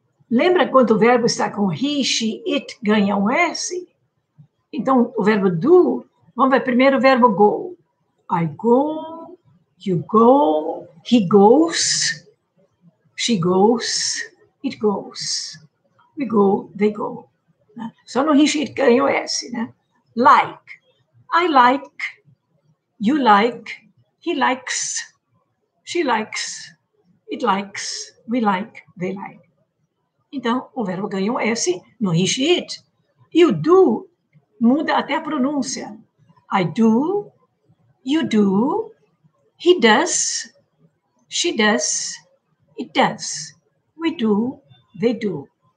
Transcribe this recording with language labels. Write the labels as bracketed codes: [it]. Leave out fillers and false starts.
[pt] Lembra quando o verbo está com he, she, it, ganha um S? Então, o verbo do, vamos ver primeiro o verbo go. [en] I go, you go, he goes, she goes, it goes. We go, they go. [pt] Só no he, she, it ganha um S, né? [en] Like, I like, you like, he likes, she likes, it likes, we like, they like. [pt] Então, o verbo ganha um S no he, she, it. E o do muda até a pronúncia. [en] I do, you do, he does, she does, it does, we do, they do.